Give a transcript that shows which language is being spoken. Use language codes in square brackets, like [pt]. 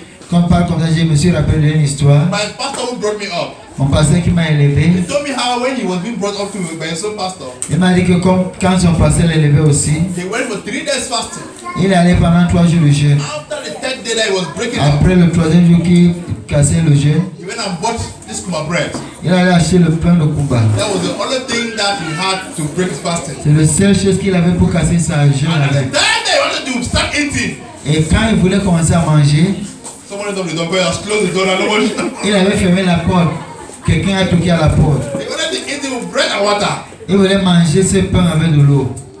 [fr] Comme par contre, je me suis rappelé une histoire. [en] My pastor who brought me up. [fr] Mon pasteur qui m'a élevé. [en] He told me how when he was being brought up to me by his own pastor. [fr] Il m'a dit que comme, quand son pasteur l'a élevé aussi, [en] he went for 3 days fasting. [fr] Il est allé pendant 3 jours le jeûne. [en] After the third day that he was breaking [fr] après [en] up, [fr] le troisième jour qui cassait le jeûne, [en] he went and bought this kuma bread. [fr] Il allait acheter le pain de Kuba. [en] That was the only thing that he had to break his fasting. [fr] C'est la seule chose qu'il avait pour casser sa jeûne. [en] And the third day he wanted to start eating. [fr] Et quand il voulait commencer à manger, [en] somebody told me, don't go, close the door and don't watch. [fr] Il avait fermé la porte. Quelqu'un a toqué à la porte. [en] He wanted to eat it with bread and water. [fr] Il voulait manger ce pain avec de l'eau.